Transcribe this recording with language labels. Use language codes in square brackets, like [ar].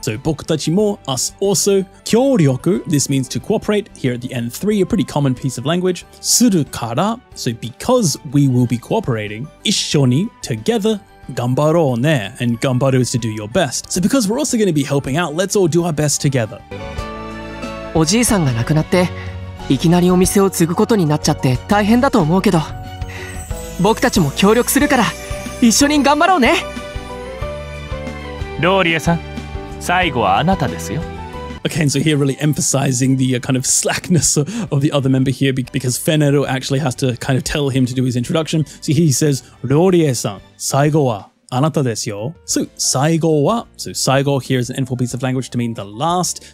[en] So bokutachi mo, us also, kyoroku, this means to cooperate, here at the N3, a pretty common piece of language, suru kara, so because we will be cooperating, issho ni, together, [ja] ganbarou ne, [en] and ganbaru is to do your best. So because we're also going to be helping out, let's all do our best together. [ja] おじいさんが亡くなっていきなりお店を継ぐことになっちゃって大変だと思うけど、僕たちも協力するから一緒に頑張ろうね。ローリエさん、最後はあなたですよ。 [en] Okay, and so here really emphasizing the kind of slackness of the other member here because Fenero actually has to kind of tell him to do his introduction. So he says, Rorie-san, [ja] saigo wa anata desu yo. [en] So saigo wa, so saigo here is an N4 piece of language to mean the last.